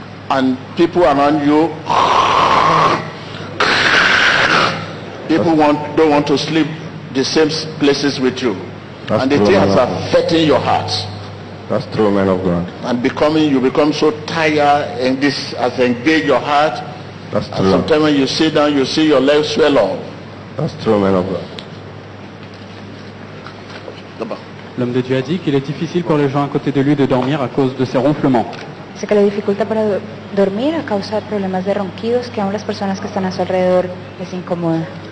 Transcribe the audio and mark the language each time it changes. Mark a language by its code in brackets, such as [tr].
[en] And people around you don't want to sleep the same places with you. That's and true, the thing has affecting your heart. That's true, man of God. And you become so tired and this has engaged your heart. That's true. And sometimes when you sit down, you see your legs swell up. That's true, man of God. [fr] L'homme de Dieu a dit qu'il est difficile pour les gens à côté de lui de dormir à cause de ses ronflements. [es] Sé que la dificultad para dormir a causa de problemas de ronquidos que aún las personas que están a su alrededor les incomoda.